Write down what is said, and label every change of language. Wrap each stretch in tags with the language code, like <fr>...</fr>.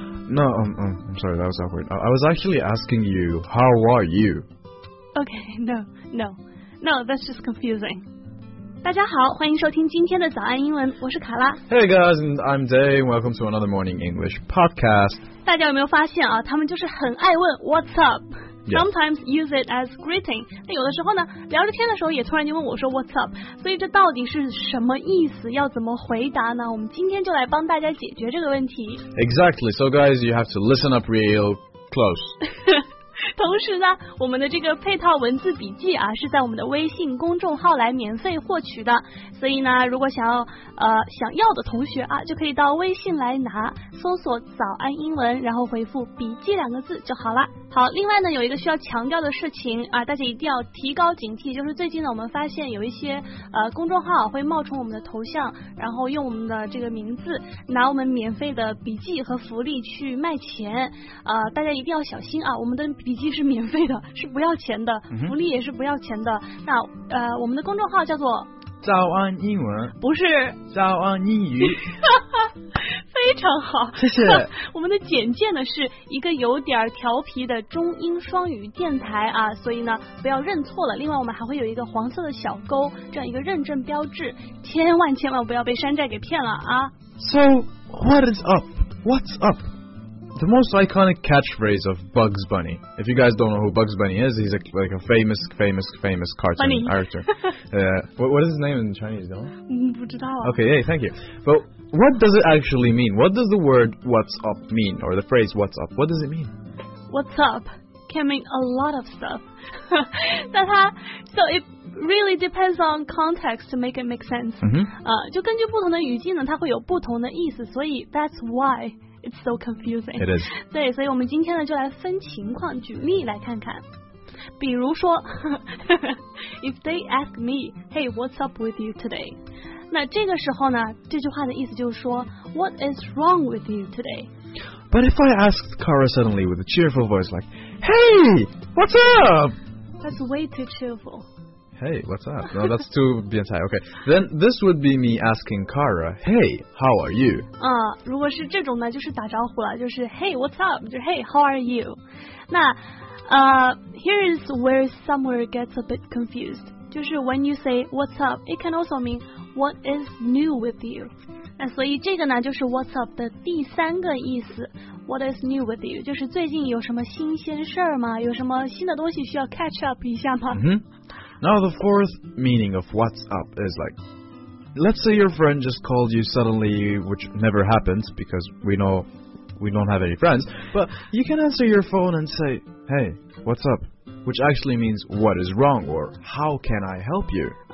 <en>No, I'm sorry, that was awkward. I was actually asking you, how are you? Okay, no, that's just confusing.</en> <zh>大家好，欢迎收听今天的早安英文，我是卡拉。</zh> <en>Hey guys, and I'm Dave. Welcome to another Morning English Podcast.</en> <zh>大家有没有发现啊，他们就是很爱问</zh> <en>What's up? Yeah. Sometimes use it as greeting.</en> <zh>但有的时候呢，聊着天的时候也突然就问我说</zh> <en>What's up?</en> <zh>所以这到底是什么意思？要怎么回答呢？我们今天就来帮大家解决这个问题。</zh> <en>Exactly. So guys, you have to listen up real close.</en> <zh>同时呢，我们的这个配套文字笔记啊，是在我们的微信公众号来免费获取的。所以呢，如果想要的同学啊，就可以到微信来拿，搜索早安英文，然后回复笔记两个字就好了。好，另外呢，有一个需要强调的事情啊，大家一定要提高警惕，就是最近呢，我们发现有一些公众号会冒充我们的头像，然后用我们的这个名字拿我们免费的笔记和福利去卖钱，大家一定要小心啊，我们的笔记是免费的，是不要钱的，福利也是不要钱的。那我们的公众号叫做早安英文，不是早安英语。非常好，谢谢。我们的简介呢是一个有点调皮的中英双语电台啊，所以呢不要认错了。另外我们还会有一个黄色的小勾，这样一个认证标志，千万千万不要被山寨给骗了啊。</zh> <en>So what is up? What's up? The most iconic catchphrase of Bugs Bunny. If you guys don't know who Bugs Bunny is, he's like a famous cartoon、 Bunny. character. what is his name in Chinese though?</en> <zh>不知道啊。</zh> <en>Okay, hey, thank you. ButWhat does it actually mean? What does the word what's up mean? Or the phrase what's up? What does it mean? What's up can mean a lot of stuff. So it really depends on context to make it make sense.、 Mm-hmm.</en> <zh>就根据不同的语境呢，它会有不同的意思，所以</zh> <en>that's why it's so confusing. It is.</en> <zh>对，所以我们今天呢就来分情况举例来看看。比如说</zh> <en>if they ask me, hey, what's up with you today?</en> <zh>那这个时候呢，这句话的意思就是说</zh> <en>What is wrong with you today? But if I asked Kara suddenly with a cheerful voice like Hey, what's up? That's way too cheerful. Hey, what's up? No, that's too 变态 Okay, then this would be me asking Kara Hey, how are you?</en> <zh>如果是这种呢，就是打招呼了，就是</zh> <en>Hey, what's up?</en> <zh>就是</zh> <en>Hey, how are you? 那here is where somewhere gets a bit confused. 就是 when you say what's up, it can also meanWhat is new with you?</en> <zh>那所以这个呢就是 what's up 的第三个意思</zh> <en>What is new with you?</en> <zh>就是最近有什么新鲜事儿吗？有什么新的东西需要 catch up 一下吗、</zh> <en>mm-hmm. Now the fourth meaning of what's up is like Let's say your friend just called you suddenly Which never happens because we know we don't have any friends But you can answer your phone and say Hey, what's up? Which actually means what is wrong or how can I help you?</en>